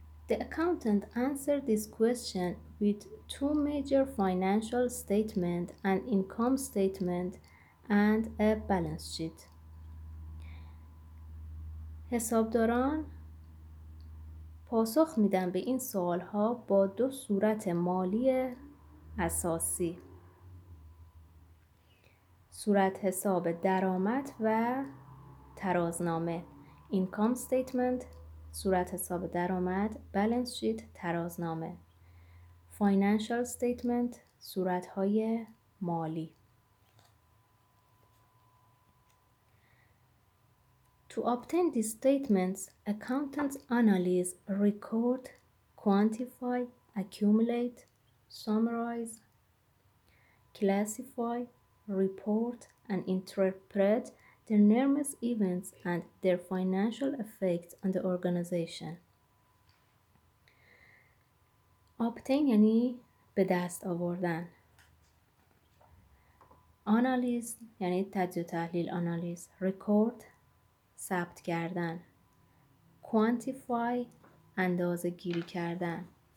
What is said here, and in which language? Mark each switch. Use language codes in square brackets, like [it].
[en] The accountant answered this question with two major financial statement and income statement and a balance sheet. [fa] حسابداران پاسخ میدن به این سوال ها با دو صورت مالی اساسی. صورت حساب درآمد و ترازنامه [en] income statement، [fa] صورت حساب درآمد [en] balance sheet، [fa] ترازنامه [en] financial statement، [fa] صورت های مالی. [en] To obtain these statements, accountants analyze, record, quantify, accumulate, summarize, classify, report, and interpret the numerous events and their financial effects on the organization. [fa] Obtain یعنی به دست آوردن. Analyze یعنی تجزیه و تحلیل. Analyze. Record ثبت کردن. Quantify اندازه گیری کردن.